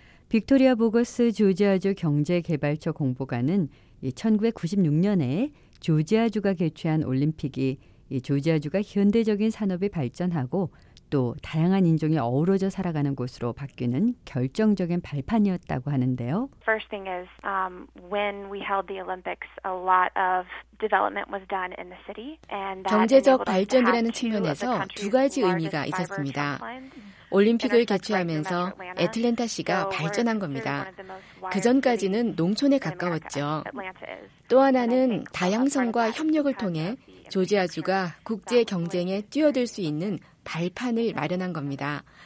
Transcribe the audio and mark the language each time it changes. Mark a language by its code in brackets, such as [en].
[ko] 빅토리아 보거스 조지아주 경제개발처 공보관은 1996년에 조지아주가 개최한 올림픽이 조지아주가 현대적인 산업이 발전하고 또 다양한 인종이 어우러져 살아가는 곳으로 바뀌는 결정적인 발판이었다고 하는데요. [en] First thing is when we held the Olympics, a lot of development was done in the city. [ko] 경제적 발전이라는 측면에서 두 가지 의미가 있었습니다. 올림픽을 개최하면서 애틀랜타시가 발전한 겁니다. 그전까지는 농촌에 가까웠죠. 또 하나는 다양성과 협력을 통해 조지아주가 국제 경쟁에 뛰어들 수 있는 발판을 마련한 겁니다.